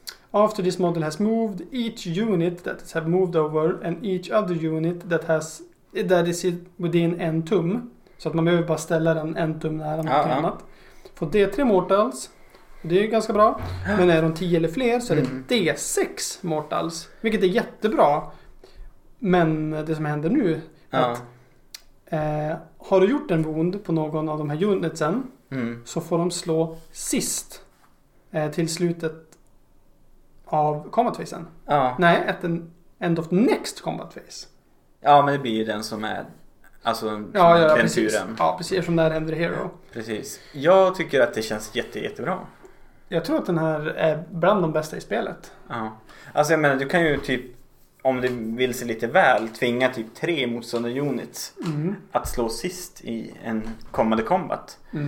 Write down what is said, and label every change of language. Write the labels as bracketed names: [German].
[English] After this model has moved, each unit that has moved over and each other unit that is within [Swedish] en tum. Så att man behöver bara ställa den en tum nära något annat. Får D3 mortals. Det är ju ganska bra. Men är de 10 eller fler så är det D6 mortals. Vilket är jättebra. Men det som händer nu är att har du gjort en wound på någon av de här unitsen, så får de slå sist till slutet av combat phasen. Nej, [English] at the end of next combat phase. [Swedish] Ja, men det blir ju den som är, alltså, den turen. Ja, precis. Eftersom det här händer i Hero. Precis. Jag tycker att det känns jättebra. Jag tror att den här är bland de bästa i spelet. Ja. Alltså jag menar, du kan ju typ, om du vill se lite väl, tvinga typ 3 motståndare units att slå sist i en kommande combat.